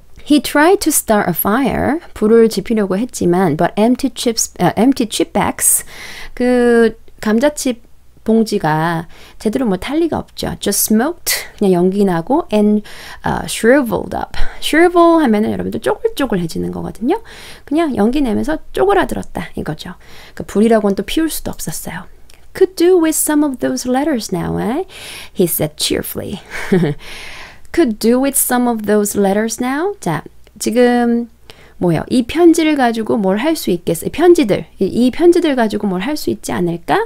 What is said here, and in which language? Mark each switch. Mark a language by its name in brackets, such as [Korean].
[English] He tried to start a fire, [Korean] 불을 지피려고 했지만, [English] but empty chip bags, [Korean] 그 감자칩 봉지가 제대로 뭐 탈 리가 없죠. [English] Just smoked, [Korean] 그냥 연기 나고, [English] and shriveled up. [Korean] Shrivel 하면은 여러분들 쪼글쪼글해지는 거거든요. 그냥 연기 내면서 쪼그라들었다 이거죠. 그 불이라고는 또 피울 수도 없었어요. [English] Could do with some of those letters now, eh? He said cheerfully. Could do with some of those letters now. [Korean] 자, 지금 뭐예요? 이 편지를 가지고 뭘 할 수 있겠어요? 편지들, 이 편지들 가지고 뭘 할 수 있지 않을까?